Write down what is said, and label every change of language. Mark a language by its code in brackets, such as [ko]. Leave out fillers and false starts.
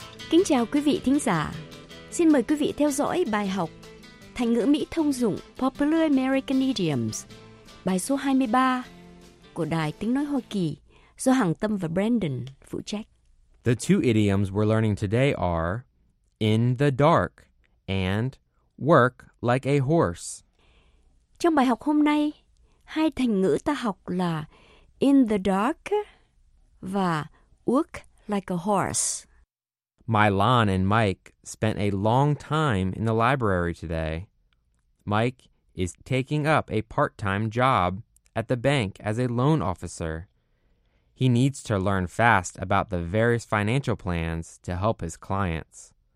[vi] Kính chào quý vị thính giả. Xin mời quý vị theo dõi bài học thành ngữ Mỹ thông dụng Popular American Idioms, bài số 23 của Đài Tiếng Nói Hoa Kỳ do Hằng Tâm và Brandon phụ trách. [en] The two idioms we're learning today are in the dark and work like a horse. [vi] Trong bài học hôm nay, hai thành ngữ ta học là in the dark và work like a horse. [en] Mylon and Mike spent a long time in the library today. Mike is taking up a part-time job at the bank as a loan officer. He needs to learn fast about the various financial plans to help his clients.